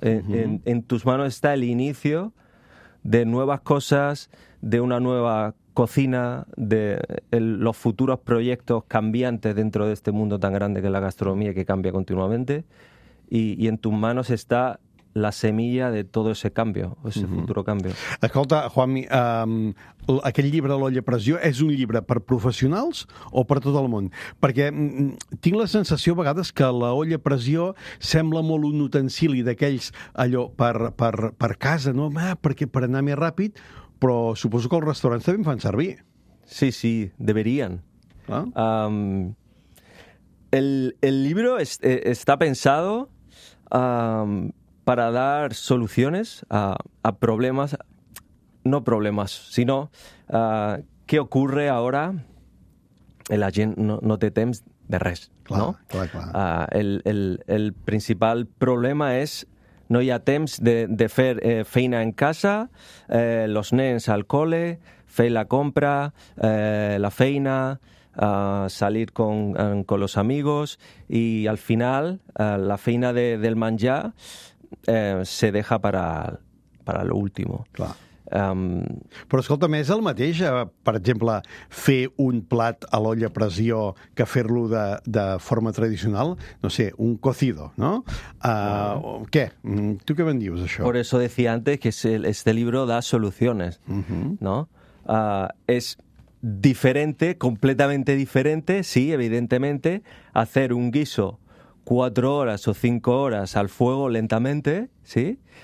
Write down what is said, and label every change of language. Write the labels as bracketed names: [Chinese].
[Spanish] En tus manos está el inicio de nuevas cosas, de una nueva cocina, de los futuros proyectos cambiantes dentro de este mundo tan grande que es la gastronomía, que cambia continuamente, y en tus manos está la semilla de todo ese cambio, ese futuro cambio. [Catalan] Escolta, Juanmi, aquest llibre, L'olla a pressió, és un llibre per professionals o per tot el món? Perquè tinc la sensació a vegades que L'olla a pressió sembla molt un utensili d'aquells, allò, per casa, no? Perquè per anar més ràpid, però suposo que els restaurants també en fan servir. [Spanish] Sí, sí, deberían. Ah? El libro está pensado para dar soluciones a problemas, no problemas, sino qué ocurre ahora en [Catalan] la gent no té temps de res. Clar, no? Clar, clar. El principal problema és no hi ha temps de fer feina en casa, los nens al cole, fer la compra, la feina, [Spanish] salir con los amigos, [Catalan] y al final la feina del menjar [Spanish] se deja para lo último. [Catalan] Clar. Però escolta, més el mateix, per exemple, fer un plat a l'olla a pressió que fer-lo de forma tradicional, no sé, un cocido, no? Què? Tu què me'n dius, això? [Spanish] Por eso decía antes que este libro da soluciones, ¿no? Es diferente, completamente diferente, sí, evidentemente, hacer un guiso 4 horas o 5 horas al fuego lentamente, ¿sí?